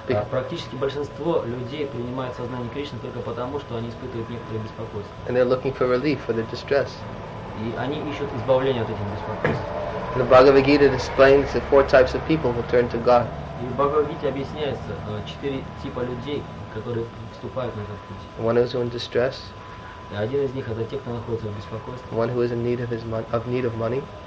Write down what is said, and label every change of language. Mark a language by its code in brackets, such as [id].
[ru] Практически большинство людей принимает сознание Кришны только потому, что они испытывают некоторые беспокойства. [en] And they're looking for relief for their distress. [ru] И они ищут избавление от этих беспокойств. [en] The Bhagavad Gita explains the four types of people who turn to God. [ru] И в Бхагавад Гите объясняется четыре типа людей, которые вступают на этот путь. [en] One is in distress. [ru] Один из них — это те, кто находится в беспокойстве. [en] One who is in need of his money.